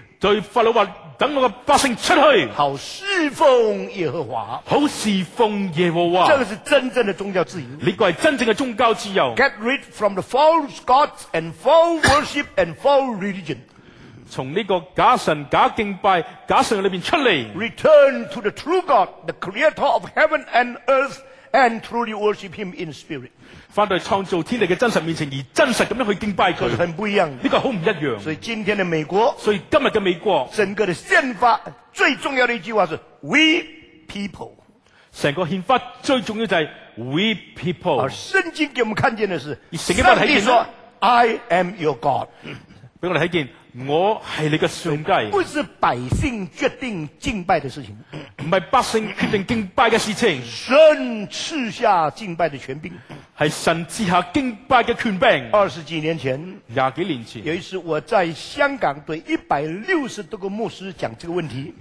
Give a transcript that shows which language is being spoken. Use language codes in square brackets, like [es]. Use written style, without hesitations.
[zh] 对法老说，等我的百姓出去，好侍奉耶和华，好侍奉耶和华，这个是真正的宗教自由，这个是真正的宗教自由。 [en] Get rid from the false gods and false worship and false religion， [zh] 从这个假神假敬拜假神里面出来， [en] Return to the true God the creator of heaven and earthand truly worship him in spirit， [zh] 回到创造天地的真神面前而真实地去敬拜他，很不一样，这个很不一样，所以今天的美国，所以今天的美国整个的宪法最重要的一句话是 [en] we people， [zh] 整个宪法最重要的就是 [en] we people， [zh] 而圣经给我们看见的是圣经上帝说 [en] I am your God， [zh] 给我们看见我是你的上帝，不是百姓决定敬拜的事情，不是百姓决定敬拜的事情，神赐下敬拜的权柄，是神赐下敬拜的权柄。二十几年前，廿几年前，有一次我在香港对160多个牧师讲这个问题，